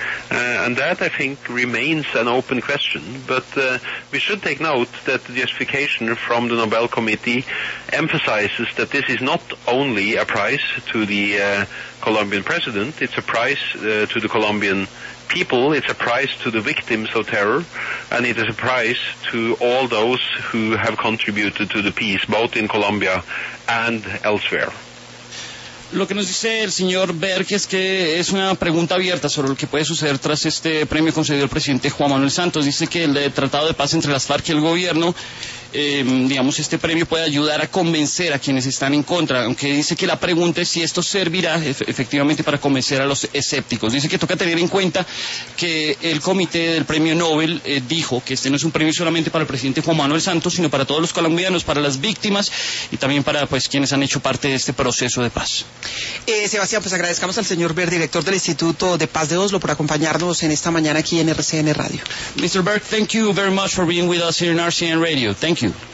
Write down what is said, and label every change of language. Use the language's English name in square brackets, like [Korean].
[English] And that, I think, remains an open question. But we should take note that the justification from the Nobel Committee emphasizes that this is not only a prize to the Colombian president, it's a prize to the Colombian people, it's a prize to the victims of terror, and it is a prize to all those who have contributed to the peace, both in Colombia and elsewhere. [Spanish] Lo que nos dice el señor Berg es que es una pregunta abierta sobre lo que puede suceder tras este premio concedido al presidente Juan Manuel Santos. Dice que el tratado de paz entre las FARC y el gobierno, digamos, este premio puede ayudar a convencer a quienes están en contra, aunque dice que la pregunta es si esto servirá efectivamente para convencer a los escépticos. Dice que toca tener en cuenta que el comité del premio Nobel dijo que este no es un premio solamente para el presidente Juan Manuel Santos, sino para todos los colombianos, para las víctimas y también para, pues, quienes han hecho parte de este proceso de paz. Sebastián, pues agradezcamos al señor Berg, director del Instituto de Paz de Oslo, por acompañarnos en esta mañana aquí en RCN Radio. [English] Mr. Berg, thank you very much for being with us here in RCN Radio. Thank you.